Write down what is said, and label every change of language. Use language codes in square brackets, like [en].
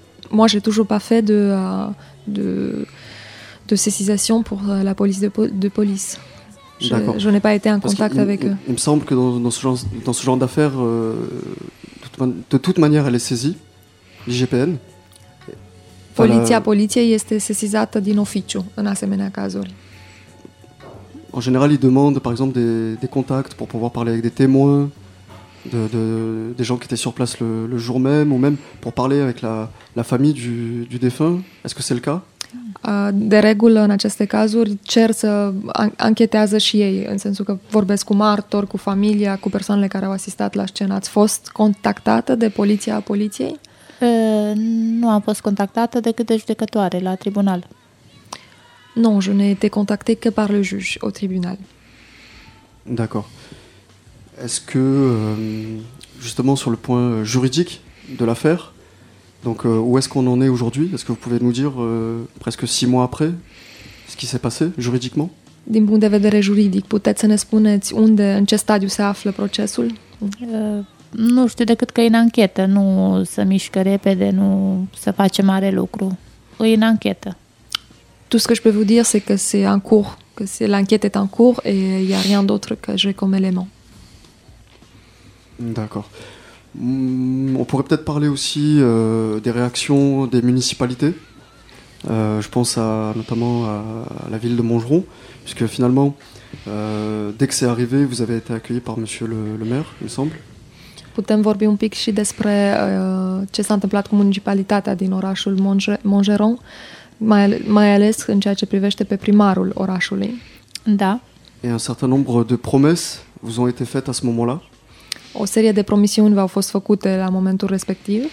[fr] Moi, j'ai toujours pas fait de sésisation pour la police de police. Je n'ai pas été en contact avec eux. Il me semble que dans ce genre d'affaires, de toute manière, elle est saisie, l'IGPN. [ro] Poliția este sesizată din oficiu, în asemenea cazuri. [fr] En général, ils demandent, par exemple, des contacts pour pouvoir parler avec des témoins, des gens qui étaient sur place le jour même, ou même pour parler avec la famille du défunt. Est-ce que c'est le cas? [ro] De regulă, în aceste cazuri, cer să anchetează și ei, în sensul că vorbesc cu martori, cu familia, cu persoanele care au asistat la scenă. Ați fost contactată de poliția poliției? Nu am fost contactată decât de judecătoare la tribunal. [fr] Non, je n'ai été contacté que par le juge au tribunal. D'accord. Est-ce que, justement, sur le point juridique de l'affaire, donc où est-ce qu'on en est aujourd'hui? Est-ce que vous pouvez nous dire, presque six mois après, ce qui s'est passé juridiquement? [ro] Din punct de vedere juridic, puteți să ne spuneți unde, în ce stadiu se află procesul? Nu știu, decât că e în anchetă, nu se mișcă repede, nu se face mare lucru. E în anchetă. [fr] Tout ce que je peux vous dire, c'est que c'est en cours, que c'est, l'enquête est en cours et il n'y a rien d'autre que j'ai comme élément. D'accord. On pourrait peut-être parler aussi des réactions des municipalités. Je pense notamment à la ville de Montgeron, puisque finalement, dès que c'est arrivé, vous avez été accueilli par monsieur le maire, il me semble. [ro] Putem vorbi un pic și despre ce s-a întâmplat cu municipalitatea din orașul Montgeron. Mai ales în ceea ce privește pe primarul orașului. Da. [fr] Et un certain nombre de promesses vous ont été faites à ce moment-là? [ro] O serie de promisiuni v-au fost făcute la momentul respectiv.